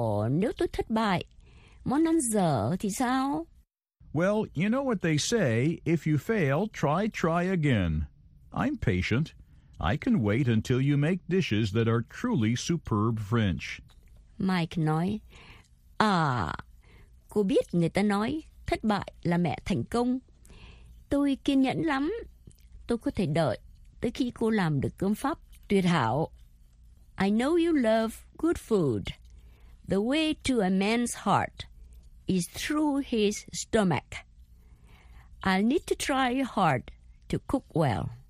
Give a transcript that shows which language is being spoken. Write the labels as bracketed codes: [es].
[vi] Nếu tôi thất bại, món ăn dở thì sao? [en] Well, you know what they say, if you fail, try again. I'm patient. I can wait until you make dishes that are truly superb French. [vi] Mike nói, cô biết người ta nói, thất bại là mẹ thành công. Tôi kiên nhẫn lắm. Tôi có thể đợi tới khi cô làm được cơm Pháp tuyệt hảo. [en] I know you love good food. The way to a man's heart is through his stomach. I'll need to try hard to cook well.